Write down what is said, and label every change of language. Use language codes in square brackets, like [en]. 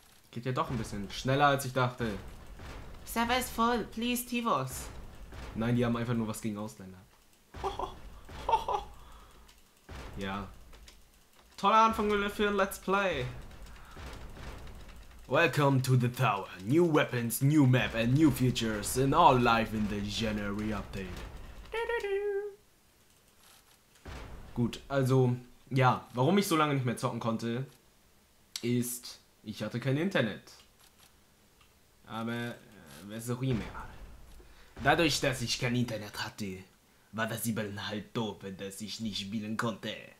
[de] Geht ja doch ein bisschen schneller, als ich dachte. Server ist voll, [en] please, [de] Tivos. Nein, die haben einfach nur was gegen Ausländer. Ja. Toller Anfang für ein Let's Play. [en] Welcome to the tower. New weapons, new map and new features in all life in the January update. [de] Gut, also, ja, warum ich so lange nicht mehr zocken konnte, ist, ich hatte kein Internet. Aber, was auch immer. Dadurch, dass ich kein Internet hatte, war das eben halt doof, dass ich nicht spielen konnte.